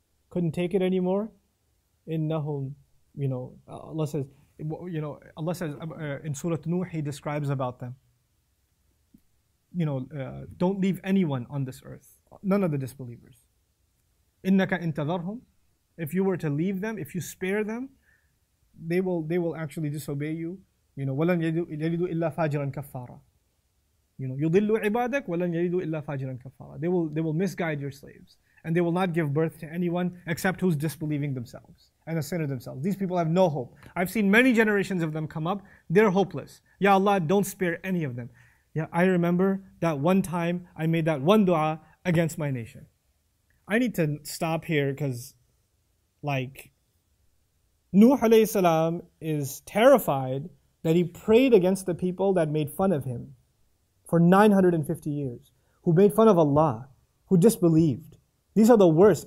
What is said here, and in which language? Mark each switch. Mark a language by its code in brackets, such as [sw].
[en] Couldn't take it anymore. [ar] إِنَّهُمْ [en] You know, Allah says, you know, Allah says in Surah Nuh, He describes about them. You know, don't leave anyone on this earth. None of the disbelievers. [ar] إِنَّكَ إِن تَذَرْهُمْ [en] If you were to leave them, if you spare them, they will actually disobey you. You know, [ar] وَلَنْ يَلِدُوا إِلَّا فَاجِرًا كَفَّارًا You know, يُضِلُّ عِبَادَكْ وَلَنْ يَلِدُوا إِلَّا فَاجِرًا كَفَّارًا [en] They will misguide your slaves. And they will not give birth to anyone except who's disbelieving themselves and a sinner themselves. These people have no hope. I've seen many generations of them come up. They're hopeless. Ya Allah, don't spare any of them. Yeah, I remember that one time I made that one dua against my nation. I need to stop here because, like, Nuh alayhi salam is terrified that he prayed against the people that made fun of him for 950 years, who made fun of Allah, who disbelieved. These are the worst.